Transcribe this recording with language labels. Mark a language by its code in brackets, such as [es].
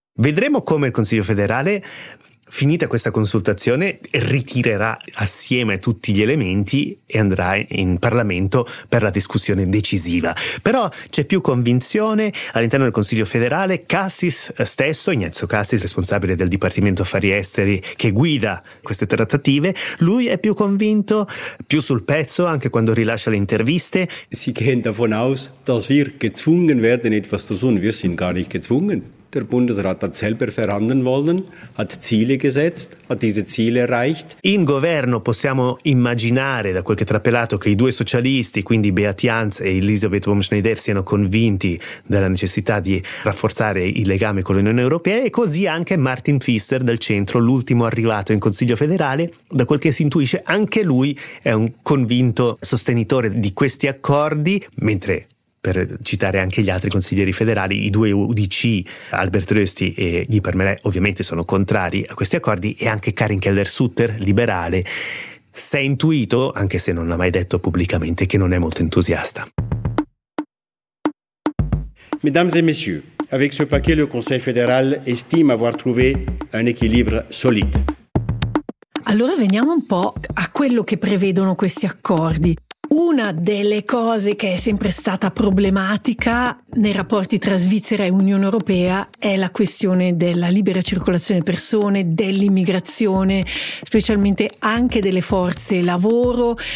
[it] Vedremo come il Consiglio federale, finita questa consultazione, ritirerà assieme tutti gli elementi e andrà in Parlamento per la discussione decisiva. Però c'è più convinzione all'interno del Consiglio federale. Cassis stesso, Ignazio Cassis, responsabile del Dipartimento Affari Esteri che guida queste trattative, lui è più convinto, più sul pezzo anche quando rilascia le interviste. [de] Si gehen davon aus, dass wir gezwungen werden etwas zu tun. Wir sind gar nicht gezwungen. Der Bundesrat hat selber verhandeln wollen, hat Ziele gesetzt, hat diese Ziele erreicht. [it] In governo possiamo immaginare, da quel che è trapelato, che i due socialisti, quindi Beat Jans e Elisabeth Wurm-Schneider, siano convinti della necessità di rafforzare i legami con l'Unione Europea, e così anche Martin Fischer del centro, l'ultimo arrivato in Consiglio federale, da quel che si intuisce anche lui è un convinto sostenitore di questi accordi, mentre, per citare anche gli altri consiglieri federali, i due UDC, Albert Rösti e Guy Parmelin, ovviamente sono contrari a questi accordi, e anche Karin Keller-Sutter, liberale, si è intuito, anche se non l'ha mai detto pubblicamente, che non è molto entusiasta. [fr] Mesdames et messieurs, avec ce paquet le Conseil fédéral estime avoir trouvé un équilibre solide. [it] Allora veniamo un po' a quello che prevedono questi accordi. Una delle cose che è sempre stata problematica nei rapporti tra Svizzera e Unione Europea è la questione della libera circolazione di persone, dell'immigrazione, specialmente anche delle forze lavoro.